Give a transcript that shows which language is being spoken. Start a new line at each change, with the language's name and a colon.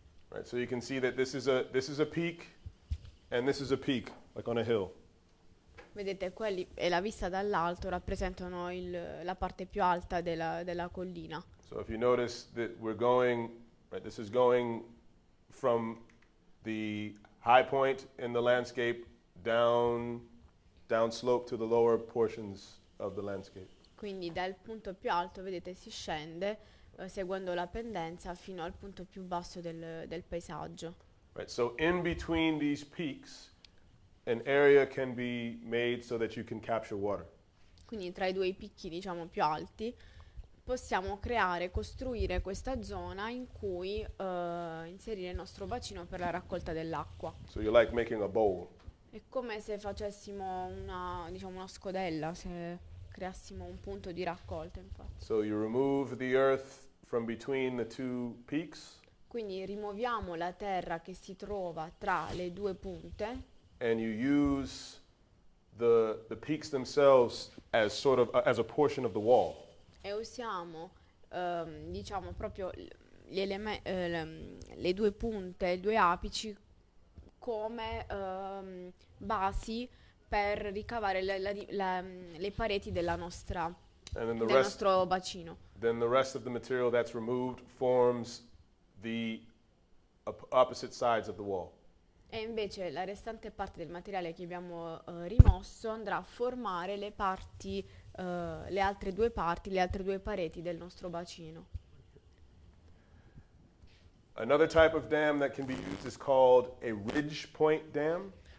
English: Right, so you can see that this is a peak, and this is a peak, like on a hill.
Italian: Vedete, quelli e la vista dall'alto rappresentano la parte più alta della collina.
English: So if you notice that we're going, right, this is going from the high point in the landscape down slope to the lower portions of the landscape.
Italian: Quindi dal punto più alto, vedete, si scende seguendo la pendenza fino al punto più basso del paesaggio.
English: Right, so in between these peaks an area can be made so that you can capture water.
Italian: Quindi tra i due picchi, diciamo, più alti, possiamo creare, costruire questa zona in cui inserire il nostro bacino per la raccolta dell'acqua.
English: So you like making a bowl.
Italian: È come se facessimo una scodella, se creassimo un punto di raccolta, infatti.
English: So you remove the earth from between the two peaks.
Italian: Quindi rimuoviamo la terra che si trova tra le due punte.
English: And you use the peaks themselves as sort of as a portion of the wall.
Italian: E usiamo proprio gli elementi, le due punte, i due apici come basi per ricavare le pareti del nostro bacino.
English: Then the rest of the material that's removed forms the opposite sides of the wall.
Italian: E invece la restante parte del materiale che abbiamo rimosso andrà a formare le parti, le altre due parti, le altre due pareti del nostro bacino.
English: Another type of dam that can be used is called a ridge point dam.